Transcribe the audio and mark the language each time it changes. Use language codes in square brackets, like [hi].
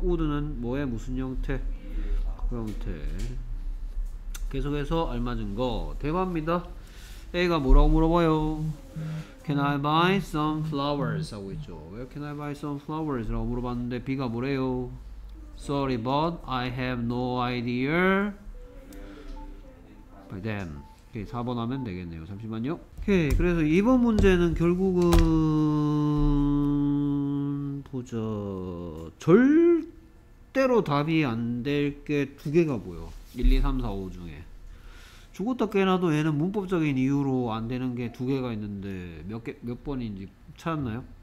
[ko] 우드는 뭐의 무슨 형태? 그 형태. 계속해서 알맞은 거 대화입니다. A가 뭐라고 물어봐요? [en] Can I buy some flowers? [ko] 하고 있죠. [en] Where can I buy some flowers? [ko] 라고 물어봤는데 B가 뭐래요? [en] Sorry but I have no idea by them. [ko] 4번 하면 되겠네요. 잠시만요. 오케이. 그래서 이번 문제는 결국은 보자. 절대로 답이 안 될 게 두 개가 보여. 1, 2, 3, 4, 5 중에. 죽었다 깨어나도 얘는 문법적인 이유로 안 되는 게 두 개가 있는데 몇 번인지 찾았나요?